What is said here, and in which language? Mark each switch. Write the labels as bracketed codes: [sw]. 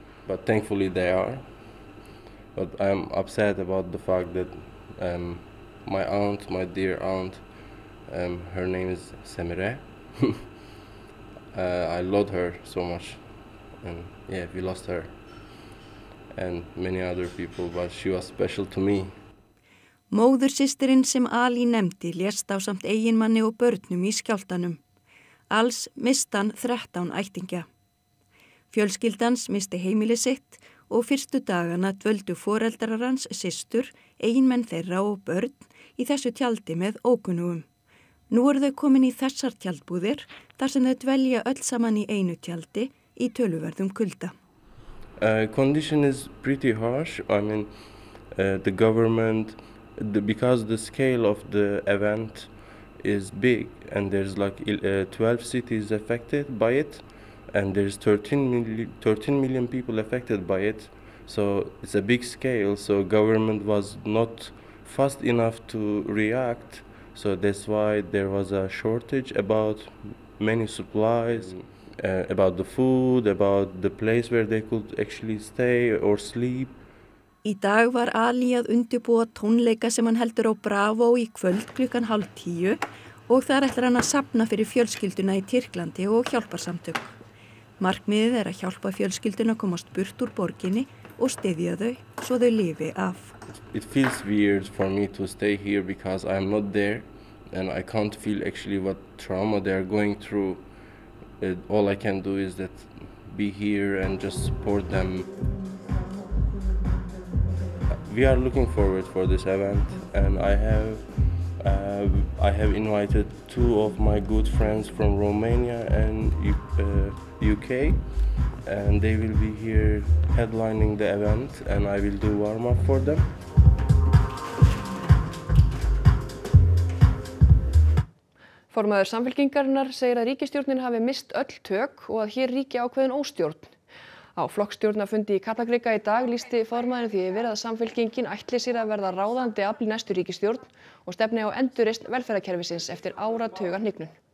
[en] But thankfully they are. But I'm upset about the fact that my aunt, my dear aunt, her name is Semire. I loved her so much, and yeah, we lost her and many other people, but she was special to me. [is] Móðursystirinn sem Ali nefndi lést ásamt eiginmanni og börnum í skjálftanum. Alls misti hann 13 ættingja. Fjölskyldans misti heimili sitt og fyrstu dagana dvöldu foreldrar hans, systur, eiginmenn þeirra og börn í þessu tjaldi með ókunnugum. Nú eru þau komin í þessar tjaldbúðir þar sem þau dvelja öll saman í einu tjaldi í töluverðum kulda. [en] Condition is pretty harsh. I mean, the government, because the scale of the event is big and there's like 12 cities affected by it, and there's 13 million people affected by it. So it's a big scale, so government was not fast enough to react. So that's why there was a shortage about many supplies, about the food, about the place where they could actually stay or sleep. [is] Í dag var Ali að undirbúa tónleika sem hann heldur á Bravo í kvöld klukkan 9:30 og þar ætlar hann að safna fyrir fjölskylduna í Tyrklandi og hjálparsamtök. Markmiðið að hjálpa fjölskylduna komast burt úr borginni og styðja þau svo þau lifi af. [en] It feels weird for me to stay here because I'm not there and I can't feel actually what trauma they are going through. All I can do is that be here and just support them. We are looking forward for this event and I have invited two of my good friends from Romania and UK and they will be here headlining the event and I will do warm up for them. [is] Formaður Samfylkingarinnar segir að ríkisstjórnin hafi misst öll tök og að hér ríki ákveðin óstjórn. Á flokksstjórnarfundi í Kallakrika í dag lýsti formaðurinn því yfir að samfylkingin ætli sér að verða ráðandi afl í næstu ríkisstjórn og stefni á endurreisn velferðarkerfisins eftir áratuga hnignun.